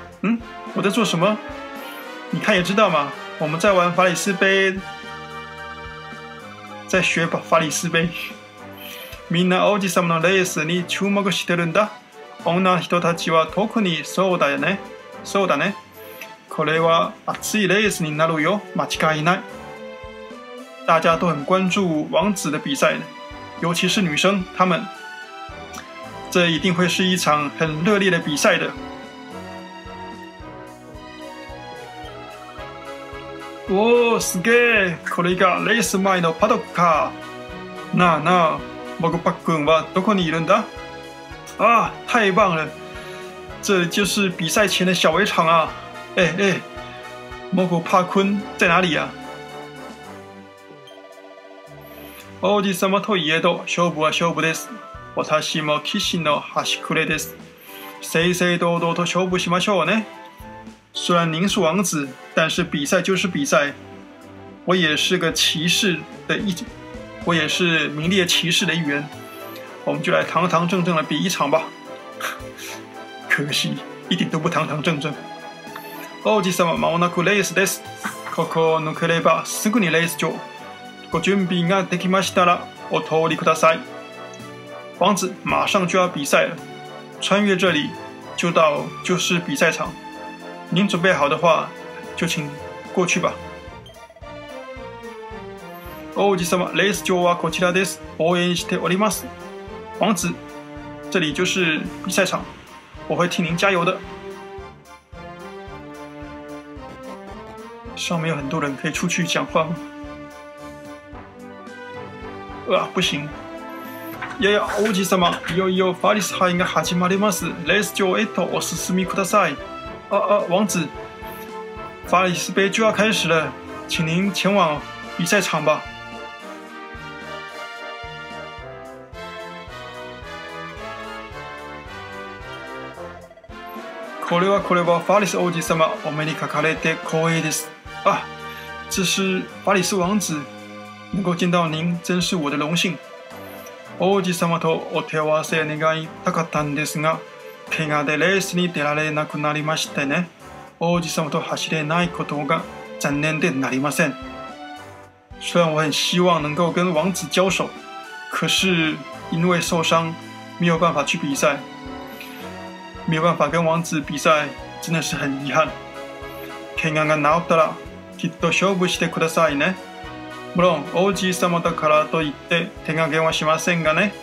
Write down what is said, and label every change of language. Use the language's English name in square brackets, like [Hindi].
[Chinese] 嗯，我在做什么？你看也知道嘛，我们在玩法里斯杯，在学吧法里斯杯。 [Japanese] みんな王子様のレースに注目してるんだ。女の人たちは特にそうだよね。そうだね。これは熱いレースになるよ。間違いない。 [Chinese] 大家都很关注王子的比赛，尤其是女生，她们。这一定会是一场很热烈的比赛的。 [Japanese] おー、すげえ。これがレース前のパドックか。なあなあ。モグパックンはどこにいるんだ？ [Chinese] 啊，太棒了！这就是比赛前的小围场啊！哎哎，モグパックン在哪里呀？ [Japanese] 王子様といえど、勝負は勝負です。私も騎士の端くれです。正々堂々と勝負しましょうね。 [Chinese] 虽然您是王子，但是比赛就是比赛，我也是个骑士的一。我也是名列骑士的一员，我们就来堂堂正正的比一场吧。可惜，一点都不堂堂正正。 [Japanese] 王子様、間もなくレースです。ここを抜ければすぐにレース場。ご準備ができましたら、お通りください。 [Chinese] 王子，马上就要比赛了，穿越这里就是比赛场。您准备好的话，就请过去吧。 [Japanese] 王子様、レース場はこちらです。応援しております。 [Chinese] 王子、这里就是比赛场。我会替您加油的。上面有很多人，可以出去讲话吗？啊，不行。 [Japanese] やや、王子様、いよいよファリス杯が始まります。レース場へとお進みください。王子、 [Chinese] 法里斯杯就要开始了，请您前往比赛场吧。 [Japanese] これはこれはファリス王子様お目にかかれて光栄です。 [Chinese] 啊，这是法里斯王子，能够见到您真是我的荣幸。 [Japanese] 王子様とお手合わせ願いたかったんですが、怪我でレースに出られなくなりましてね。王子様と走れないことが残念でなりません。 [Chinese] 虽然我很希望能够跟王子交手，可是因为受伤，没有办法去比赛。没有办法跟王子比赛，真的是很遗憾。 [Japanese] 怪我が治ったら、きっと勝負してくださいね。もろん王子様だからと言って手加減はしませんがね。